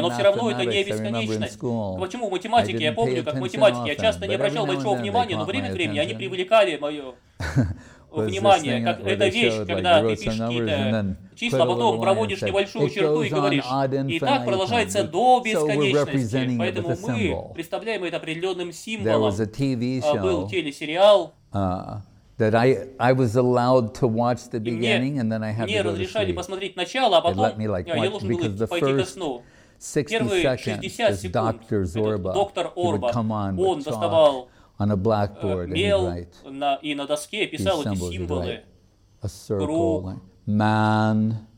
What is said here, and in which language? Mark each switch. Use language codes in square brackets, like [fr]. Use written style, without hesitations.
[ru] Но все равно это не бесконечность. Почему в математике, я помню, как в математике, я часто не обращал большого внимания, но время от времени они привлекали мое внимание, как эта вещь, когда ты пишешь какие-то числа, потом проводишь небольшую черту и говоришь, и так продолжается до бесконечности. Поэтому мы представляем это определенным символом. Был телесериал, [en] that I was allowed to watch the beginning, and then I had to go to sleep. [ru] Мне разрешали посмотреть начало, а потом я должен был пойти ко сну. Первые 60 секунд доктор Зорба, он доставал [en] on a blackboard [ru] и на доске писал эти символы. [en] A circle, [ru] круг, [en] man,